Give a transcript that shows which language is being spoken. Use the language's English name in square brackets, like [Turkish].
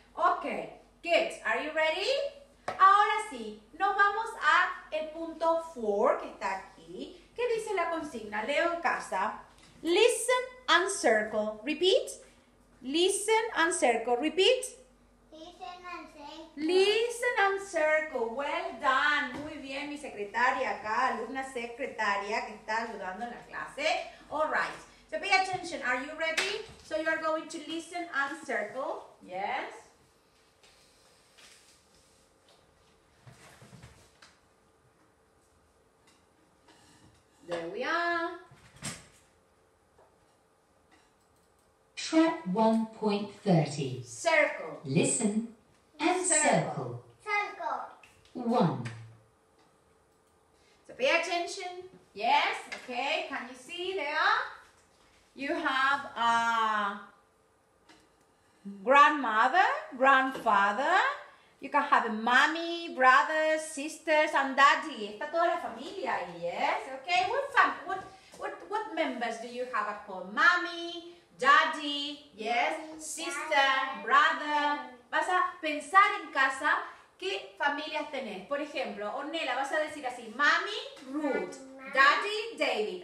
[English] Ok, good. Are you ready? [Spanish] Ahora sí, nos vamos a el punto 4 que está aquí. ¿Qué dice la consigna? Leo en casa. [English] Listen and and circle. Repeat. Listen and circle. Repeat. Listen and circle. Listen and circle. Well done. [Spanish] Muy bien, mi secretaria acá, alumna secretaria que está ayudando en la clase. [English] All right. So pay attention. Are you ready? So you are going to listen and circle. Yes. There we are. Track 1.30. Circle. Listen and circle. Circle. One. So pay attention. Yes. Okay. Can you see there? You have a grandmother, grandfather. You can have a mommy, brothers, sisters, and daddy. [Spanish] Está toda la familia ahí, [English] yes? Okay, what members do you have at home? Mommy, daddy, yes? Sister, brother. [Spanish] Vas a pensar en casa qué familias tenés. Por ejemplo, Ornella, vas a decir así, mommy, Ruth, daddy, David.